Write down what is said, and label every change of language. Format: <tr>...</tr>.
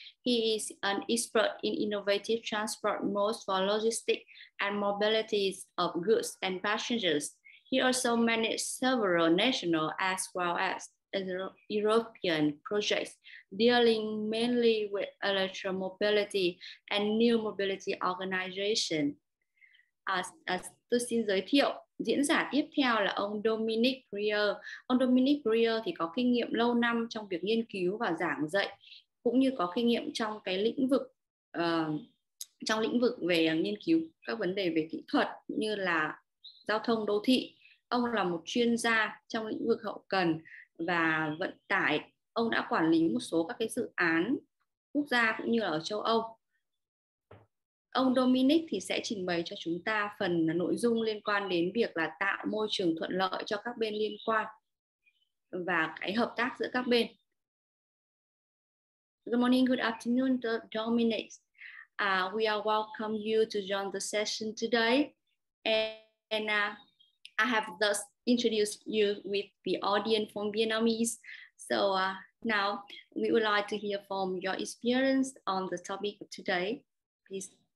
<en>He is an expert in innovative transport modes for logistics and mobilities of goods and passengers. He also managed several national as well as European projects dealing mainly with electromobility and new mobility organization.</en> <vi>Tôi xin giới thiệu diễn giả tiếp theo là ông Dominic Breyer. Ông Dominic Breyer thì có kinh nghiệm lâu năm trong việc nghiên cứu và giảng dạy, cũng như có kinh nghiệm trong cái lĩnh vực trong lĩnh vực về nghiên cứu các vấn đề về kỹ thuật như là giao thông đô thị. Ông là một chuyên gia trong lĩnh vực hậu cần và vận tải. Ông đã quản lý một số các cái dự án quốc gia cũng như là ở châu Âu. Ông Dominic thì sẽ trình bày cho chúng ta phần nội dung liên quan đến việc là tạo môi trường thuận lợi cho các bên liên quan và cái hợp tác giữa các bên.</vi> <en>Good morning, good afternoon, Dominic. We are welcome you to join the session today. And I have thus introduced you with the audience from Vietnamese. So now we would like to hear from your experience on the topic of today, please.</en>